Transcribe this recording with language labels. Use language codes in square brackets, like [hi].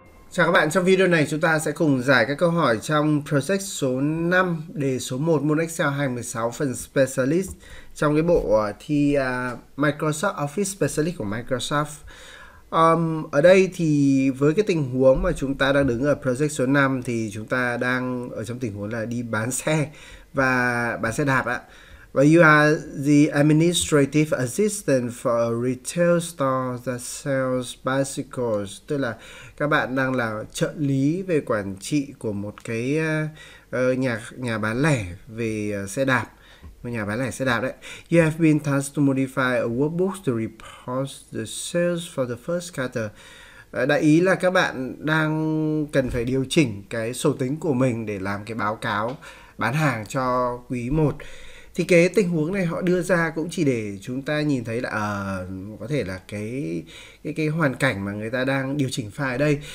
[vi] Chào các bạn, trong video này chúng ta sẽ cùng giải các câu hỏi trong project số 5, đề số 1, môn Excel 2016 phần Specialist trong cái bộ thi Microsoft Office Specialist của Microsoft. Ở đây thì với cái tình huống mà chúng ta đang đứng ở project số 5 thì chúng ta đang ở trong tình huống là đi bán xe và bán xe đạp ạ. [en] Và you are the administrative assistant for a retail store that sells bicycles. [vi] Tức là các bạn đang là trợ lý về quản trị của một cái nhà nhà bán lẻ về xe đạp. Một nhà bán lẻ xe đạp đấy. [en] You have been tasked to modify a workbook to report the sales for the first quarter. [vi] Đại ý là các bạn đang cần phải điều chỉnh cái sổ tính của mình để làm cái báo cáo bán hàng cho quý 1. Thì cái tình huống này họ đưa ra cũng chỉ để chúng ta nhìn thấy là có thể là cái hoàn cảnh mà người ta đang điều chỉnh file ở đây.